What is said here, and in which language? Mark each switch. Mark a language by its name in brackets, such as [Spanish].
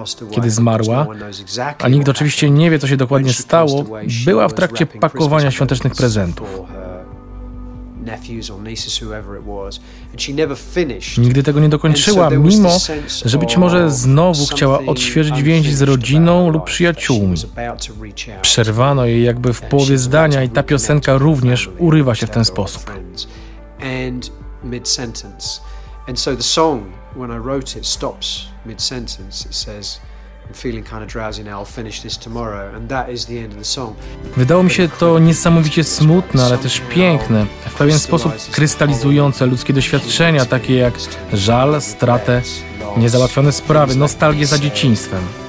[Polish] Kiedy zmarła, a nikt oczywiście nie wie, co się dokładnie stało, była w trakcie pakowania świątecznych prezentów. [English] Nephews or nieces, whoever it was, and she never finished. [Polish] Nigdy tego nie dokończyła, mimo że być może znowu chciała odświeżyć więź z rodziną lub przyjaciółmi. Przerwano jej jakby w połowie zdania i ta piosenka również urywa się w ten sposób. [English] And mid-sentence. And so the song, when I wrote it, stops mid-sentence. It says, feeling kind of drowsy now, I'll finish this tomorrow, and that is the end of the song. [Polish] Wydało mi się to niesamowicie smutne, ale też piękne, w pewien sposób krystalizujące ludzkie doświadczenia, takie jak żal, stratę, niezałatwione sprawy, nostalgię za dzieciństwem.